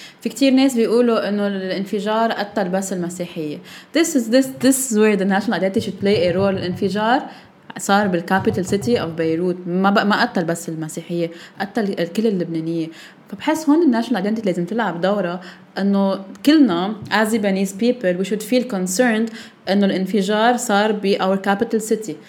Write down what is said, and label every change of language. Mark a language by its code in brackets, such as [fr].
[ar] في كتير ناس بيقولوا إنه الانفجار قتل بس المسيحية. [en] This is where the national identity should play a role. [ar] الانفجار صار [en] بالكابيتال city of [ar] بيروت. ما قتل بس المسيحية. قتل الكل اللبنانية. فبحس هون الناشنال ايدنتيتي لازم تلعب دورة انه كلنا [en] as Lebanese people we should feel concerned [ar] انه الانفجار صار ب [en] our capital city.